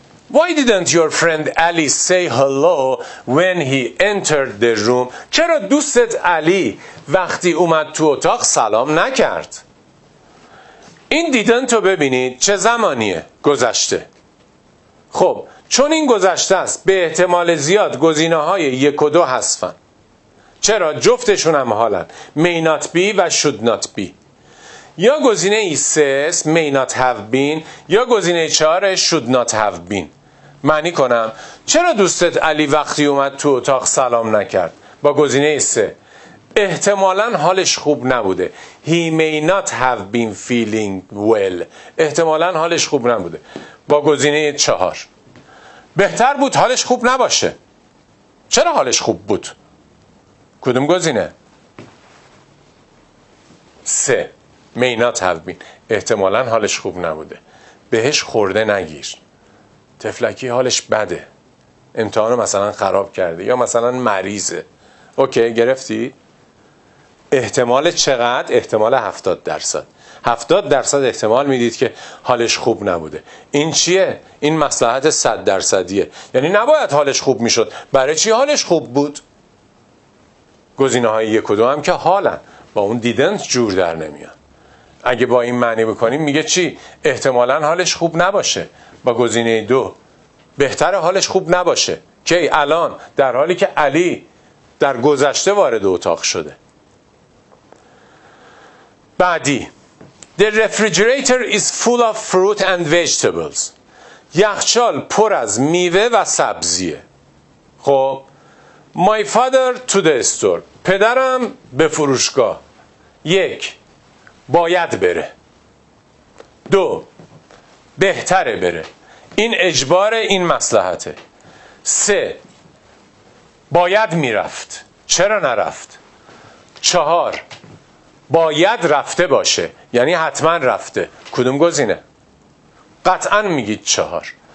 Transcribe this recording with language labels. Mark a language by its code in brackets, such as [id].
[en] Why didn't your friend Ali say hello when he entered the room؟ [fa] چرا دوستت علی وقتی اومد تو اتاق سلام نکرد؟ این didn't رو ببینید، چه زمانیه؟ گذشته. خب چون این گذشته است، به احتمال زیاد گزینه های 1 و 2 حذفن. چرا؟ جفتشون هم حالن، [en] may not be [fa] و [en] should not be. [fa] یا گزینه 3 [en] may not have been، [fa] یا گزینه 4 [en] should not have been. [fa] معنی کنم، چرا دوستت علی وقتی اومد تو اتاق سلام نکرد؟ با گزینه 3، احتمالاً حالش خوب نبوده. [en] He may not have been feeling well، [fa] احتمالاً حالش خوب نبوده. با گزینه 4، بهتر بود حالش خوب نباشه. چرا حالش خوب بود؟ کدوم گزینه؟ 3، [en] may not have been، [fa] احتمالاً حالش خوب نبوده. بهش خورده نگیر، طفلکی حالش بده، امتحانو مثلا خراب کرده یا مثلا مریضه. اوکی گرفتی؟ احتمال چقدر؟ احتمال 70%. 70% احتمال میدید که حالش خوب نبوده. این چیه؟ این مصلحت 100%ه. یعنی نباید حالش خوب میشد، برای چی حالش خوب بود؟ گزینه های 1 و 2 هم که حالن، با اون دیدنت جور در نمیان. اگه با این معنی بکنیم میگه چی؟ احتمالا حالش خوب نباشه. با گزینه 2، بهتر حالش خوب نباشه. کی؟ الان، در حالی که علی در گذشته وارد اتاق شده. بعدی، [en] The refrigerator is full of fruit and vegetables. [fa] یخچال پر از میوه و سبزیه. [en] خب My father to the store، [fa] پدرم به فروشگاه. 1، باید بره. 2، بهتره بره، این اجبار، این مصلحته. 3، باید میرفت، چرا نرفت. 4، باید رفته باشه، یعنی حتما رفته. کدوم گزینه؟ قطعا میگید 4.